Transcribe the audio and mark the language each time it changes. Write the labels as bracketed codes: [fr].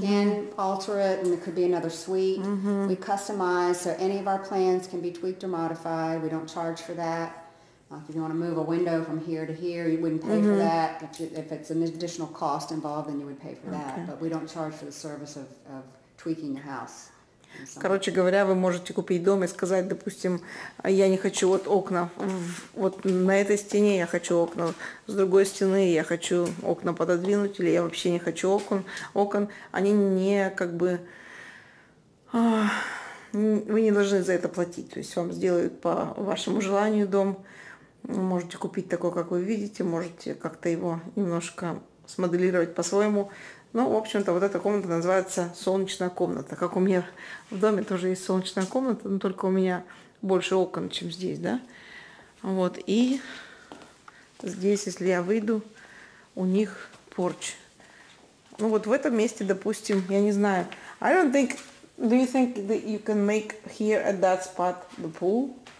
[en] can alter it and it could be another suite. Mm-hmm. We customize so any of our plans can be tweaked or modified. We don't charge for that. Like if you want to move a window from here to here, you wouldn't pay mm-hmm. for that. If it's an additional cost involved, then you would pay for okay. that. But we don't charge for the service of tweaking your house. [ru] Короче говоря, вы можете купить дом и сказать, допустим, я не хочу вот окна, вот на этой стене я хочу окна, с другой стены я хочу окна пододвинуть, или я вообще не хочу окон, они не как бы, вы не должны за это платить, то есть вам сделают по вашему желанию дом, можете купить такой, как вы видите, можете как-то его немножко смоделировать по-своему. Ну, в общем-то, вот эта комната называется солнечная комната. Как у меня в доме тоже есть солнечная комната, но только у меня больше окон, чем здесь, да? Вот, и здесь, если я выйду, у них порч. Ну, вот в этом месте, допустим, я не знаю. [en] I don't think, do you think that you can make here at that spot the pool?